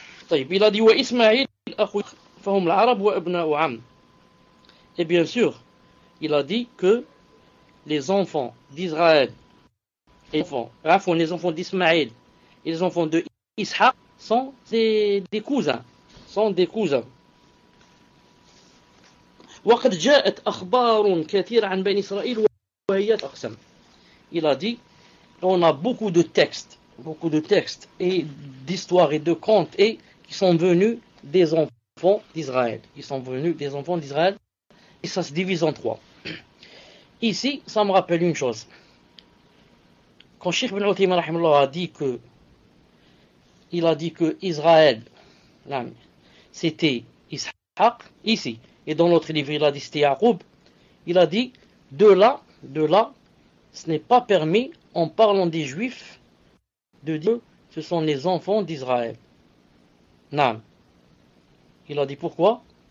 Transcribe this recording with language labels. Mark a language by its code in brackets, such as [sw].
[fr] Il a dit, [ar] wa Ismaïl, fahum l'arab wa ibna'u am. [fr] Et bien sûr, il a dit que les enfants d'Israël, les enfants d'Ismaïl, et les enfants de Ishaq sont des cousins. [ar] وقد جاءت أخبار كثيرة عن بني إسرائيل وهي تقسم. [fr] Il a dit, on a beaucoup de textes et d'histoires et de contes et qui sont venus des enfants d'Israël. Ils sont venus des enfants d'Israël et ça se divise en trois. Ici, ça me rappelle une chose. Quand Cheikh Ibn Uthaymin rahimahullah a dit que Israël, c'était Ishaq, ici, et dans l'autre livre, il a dit c'était Yaqub, il a dit, de là, ce n'est pas permis, en parlant des Juifs, de dire que ce sont les enfants d'Israël. Non. Il a dit pourquoi?